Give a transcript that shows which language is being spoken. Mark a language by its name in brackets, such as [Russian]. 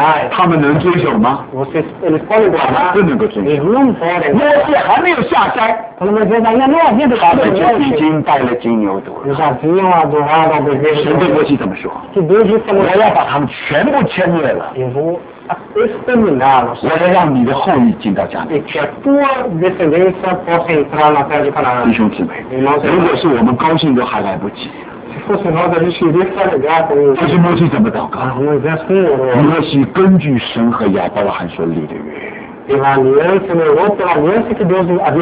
[Chinese] 他们能遵守吗？他们不能够遵守。摩西还没有下山，他们就已经带了金牛犊了。神对摩西怎么说？我要把他们全部迁灭了。 [Portuguese] exterminá-los. [Chinese] 我要让你的后裔进到迦南。 [Portuguese] E que a tua descendência possa entrar na terra de Canaã. [Chinese] 弟兄姊妹，如果是我们高兴都还来不及。 [Portuguese] Se fosse nós, a gente iria se alegrar com [Chinese] isso. 但是摩西怎么祷告？摩西怎么祷告？摩西根据神和亚伯拉罕所立的约。 [Portuguese] Pela aliança, meu irmão, pela aliança que Deus havia